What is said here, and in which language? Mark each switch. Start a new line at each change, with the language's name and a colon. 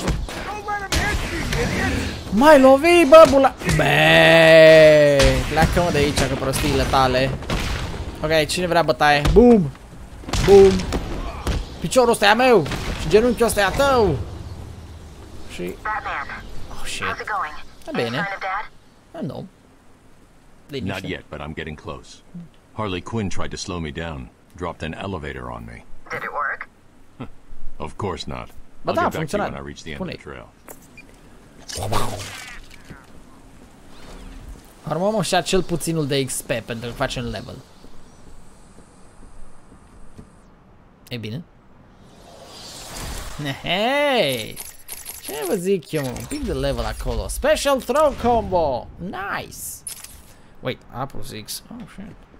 English: Don't let him hit you, idiot!
Romanian: M-ai lovit, băbula! Beeeee! Pleacă-mă de aici, că prostiile tale! Ok, cine vrea bătaie? Boom! Boom! Piciorul ăsta e a meu! Și genunchiul ăsta e a tău! Și...
English: Oh, shit!
Romanian: E bine! Nu... Liniște!
English: Not yet, but I'm getting close. Harley Quinn tried to slow me down. Dropped an elevator on me. Did it work? Of course not.
Romanian: Bă, da, a funcționat.
English: I'll get back to you when I reach the end of the trail.
Romanian: Armăm și acel puținul de XP pentru că facem level. E bine. Hei! Ce vă zic eu, un pic de level acolo.
English: Special throw combo! Nice! Wait, Apple's X. Oh, shit.